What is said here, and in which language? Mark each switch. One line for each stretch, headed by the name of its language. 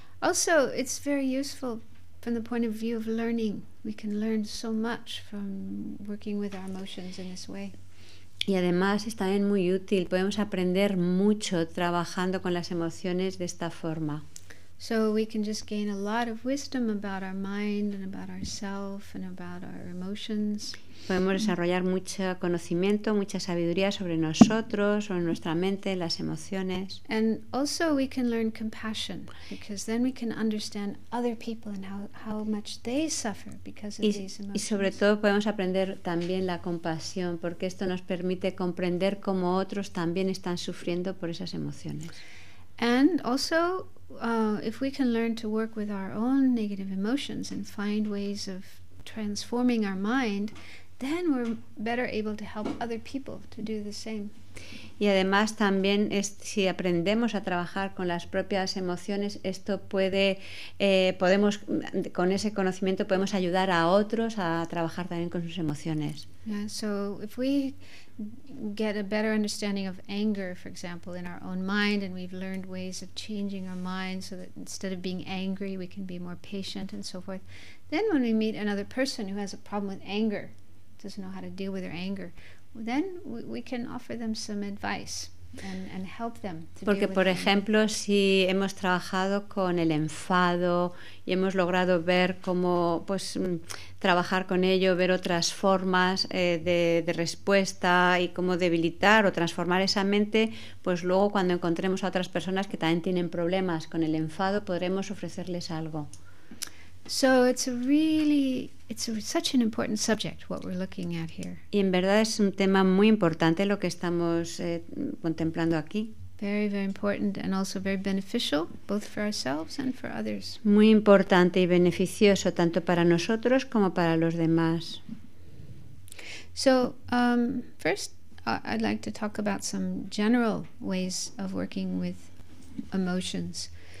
English: Also, it's very useful from the point of view of learning. We can learn so much from working with our emotions in this way.
Spanish: Y además es también muy útil, podemos aprender mucho trabajando con las emociones de esta forma.
English: So we can just gain a lot of wisdom about our mind and about ourselves and about our emotions.
Spanish: Podemos desarrollar mucho conocimiento, mucha sabiduría sobre nosotros, sobre nuestra mente, las emociones.
English: And also we can learn compassion, because then we can understand other people and how much they suffer because of these emotions.
Spanish: Y sobre todo podemos aprender también la compasión, porque esto nos permite comprender cómo otros también están sufriendo por esas emociones.
English: And also if we can learn to work with our own negative emotions and find ways of transforming our mind, then we're better able to help other people to do the same.
Spanish: Y además también es, si aprendemos a trabajar con las propias emociones, esto puede podemos con ese conocimiento podemos ayudar a otros a trabajar también con sus emociones.
English: Yeah, so if we get a better understanding of anger, for example, in our own mind, and we've learned ways of changing our mind so that instead of being angry, we can be more patient and so forth, then when we meet another person who has a problem with anger, doesn't know how to deal with their anger, then we can offer them some advice and help them to
Spanish: Porque,
English: deal with
Spanish: por ejemplo,
English: anger.
Spanish: Si hemos trabajado con el enfado y hemos logrado ver cómo pues trabajar con ello, ver otras formas de respuesta y cómo debilitar o transformar esa mente, pues luego cuando encontremos a otras personas que también tienen problemas con el enfado, podremos ofrecerles algo.
English: So it's a really, it's a, such an important subject what we're looking at here.
Spanish: Y en verdad es un tema muy importante lo que estamos contemplando aquí.
English: Very, very important and also very beneficial, both for ourselves and for others.
Spanish: Muy importante y beneficioso tanto para nosotros como para los demás.
English: So first, I'd like to talk about some general ways of working with emotions.